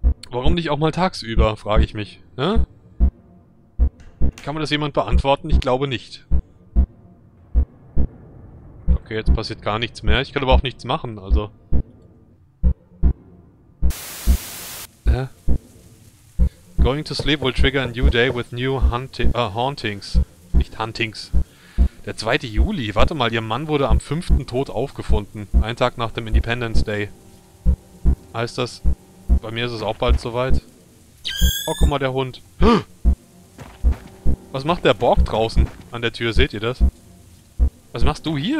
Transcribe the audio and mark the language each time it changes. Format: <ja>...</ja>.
<de>Warum nicht auch mal tagsüber, frage ich mich. Ne? Kann mir das jemand beantworten? Ich glaube nicht. Okay, jetzt passiert gar nichts mehr. Ich kann aber auch nichts machen, also... Hä?</de> <en>Going to sleep will trigger a new day with new hauntings.</en> <de>Nicht Huntings. Der 2. Juli. Warte mal, ihr Mann wurde am 5. tot aufgefunden. Ein Tag nach dem Independence Day. Heißt das, bei mir ist es auch bald soweit? Oh, guck mal, der Hund. Was macht der Borg draußen an der Tür? Seht ihr das? Was machst du hier?</de>